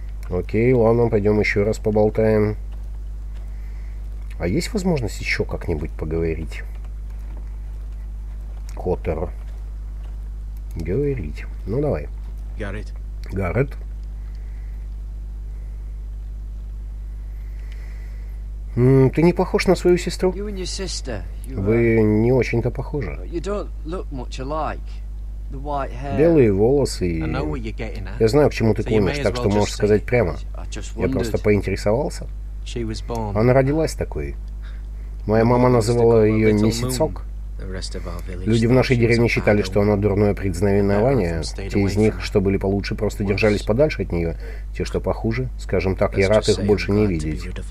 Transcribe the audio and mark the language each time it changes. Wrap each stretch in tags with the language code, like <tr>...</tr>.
<ru>Окей, ладно, пойдем еще раз поболтаем. А есть возможность еще как-нибудь поговорить? Коттер. Говорить. Ну, давай. Гаррет. Ты не похож на свою сестру.</ru> <en>You and your sister, you,</en> <ru>Вы не очень-то похожи.</ru> <en>You don't look much alike. The white hair.</en> <ru>Белые волосы.</ru> <en>I know what you're getting at.</en> <ru>Я знаю, к чему ты клонишь, так что можешь сказать прямо.</ru> <en>Wondered,</en> <ru>я просто поинтересовался.</ru> <en>She was born.</en> <ru>Она родилась такой. Моя мама называла ее Месяцок. Люди в нашей деревне считали, что она дурное предзнаменование. Те из них, что были получше, просто держались подальше от нее. Те, что похуже, скажем так, я рад их больше не видеть.</ru>